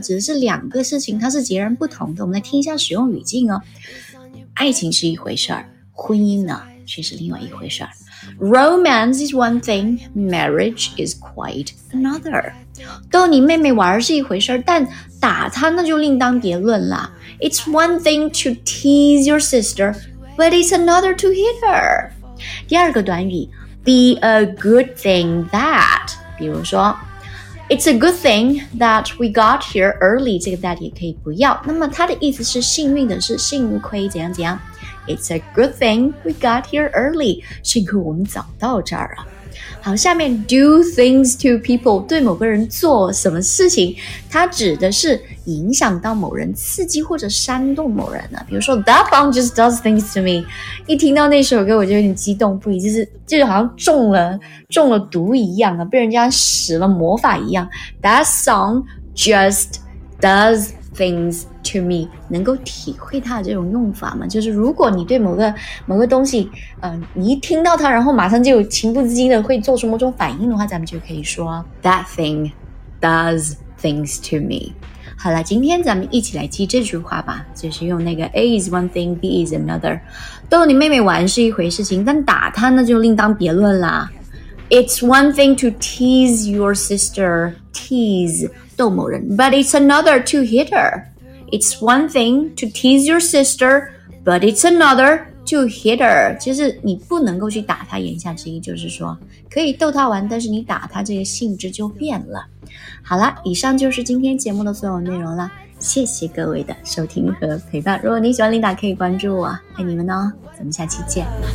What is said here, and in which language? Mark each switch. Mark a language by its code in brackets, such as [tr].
[zh] 指的是两个事情，它是截然不同的。我们来听一下使用语境哦。爱情是一回事儿，婚姻呢，却是另外一回事儿。 [en] Romance is one thing, marriage is quite another. [zh] 逗你妹妹玩是一回事儿，但打她那就另当别论了。 [en] It's one thing to tease your sister, but it's another to hit her. [zh] 第二个短语 [en] be a good thing that, [zh] 比如说 [en] It's a good thing that we got here early. [zh] 这个 that 也可以不要。那么它的意思是幸运的是幸亏怎样怎样。 [en] It's a good thing we got here early. [zh] 幸亏我们早到这儿啊。好，下面 do things to people 对某个人做什么事情，它指的是影响到某人，刺激或者煽动某人呢。比如说 [en] That song just does things to me， [zh] 一听到那首歌我就有点激动不已，就是好像中了毒一样啊，被人家使了魔法一样。 [en] That song just does things to me， [zh] 能够体会它的这种用法吗？就是如果你对某个东西，你一听到它，然后马上就情不自禁的会做出某种反应的话，咱们就可以说 [en] That thing does things to me。 [zh] 好了，今天咱们一起来记这句话吧，就是用那个 [en] A is one thing, B is another。 [zh] 逗你妹妹玩是一回事情，但打她那就另当别论啦。 [en] It's one thing to tease your sister, tease [zh] 逗某人 [en] but it's another to hit her. It's one thing to tease your sister, but it's another to hit her. [zh] 就是你不能够去打她，言下之意就是说可以逗她玩，但是你打她这个性质就变了。好了，以上就是今天节目的所有内容了，谢谢各位的收听和陪伴。如果你喜欢琳达可以关注我，爱你们哦，咱们下期见。